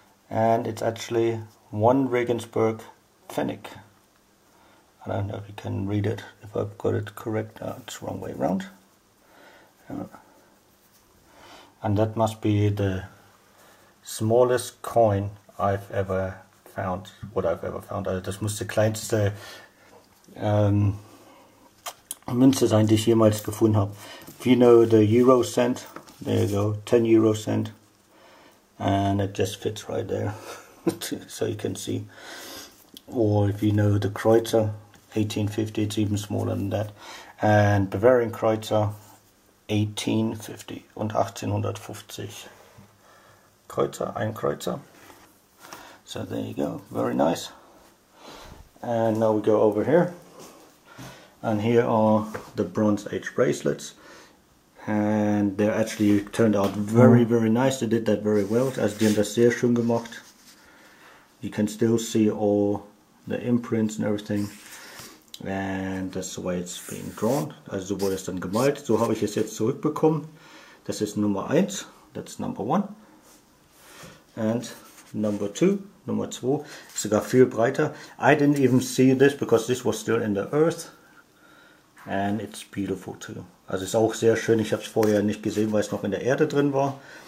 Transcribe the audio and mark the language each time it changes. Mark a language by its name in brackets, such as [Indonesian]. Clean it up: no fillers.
[English] And it's actually 1 Regensburg Pfennig. I don't know if you can read it, if I've got it correct. No, it's wrong way around. And that must be the smallest coin I've ever found. What I've ever found. [German] Also das muss die kleinste Münze sein, die ich jemals gefunden habe. [English] If you know the Euro cent, there you go, 10 Euro cent. And it just fits right there, so you can see. Or if you know the Kreuzer, 1850, it's even smaller than that. And Bavarian Kreuzer, 1850 und 1850. Kreuzer, ein Kreuzer. So there you go, very nice. And now we go over here. And here are the Bronze Age bracelets. And they actually turned out very, very nice. They did that very well. [German] Also die haben das sehr schön gemacht. [English] You can still see all the imprints and everything. And that's the way it's being drawn. [German] Also so wurde es dann gemalt. So habe ich es jetzt zurückbekommen. Das ist Nummer 1. [English] That's number 1. And number 2. [German] Nummer 2. Ist sogar viel breiter. [English] I didn't even see this because this was still in the earth. And it's beautiful too. [German] Also ist auch sehr schön. Ich habe es vorher nicht gesehen, weil es noch in der Erde drin war.